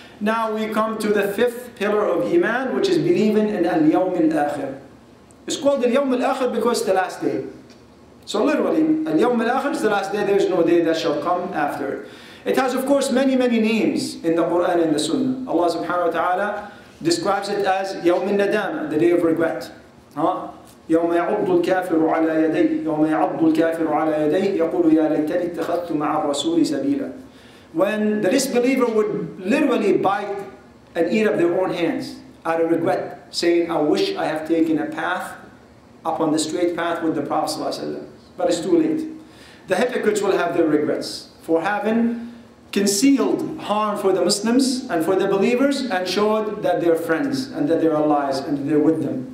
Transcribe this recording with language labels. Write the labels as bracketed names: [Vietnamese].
[English] Now we come to the fifth pillar of Iman, which is believing in al-yawm al-akhir. It's called al-yawm al-akhir because it's the last day. So literally, al-yawm al-akhir is the last day. There is no day that shall come after it. It has, of course, many, many names in the Quran and the Sunnah. Allah subhanahu wa ta'ala describes it as [Arabic] يوم الندامة, [English] the day of regret. [Arabic] يوم يعض الكافر على يديه, يوم يعض الكافر على يديه يقول يا ليتني اتخذت مع الرسول سبيلا. [English] When the disbeliever would literally bite and eat up their own hands out of regret, saying, I wish I have taken a path up on the straight path with the Prophet. But it's too late. The hypocrites will have their regrets for having concealed harm for the Muslims and for the believers and showed that they're friends and that they're allies and they're with them.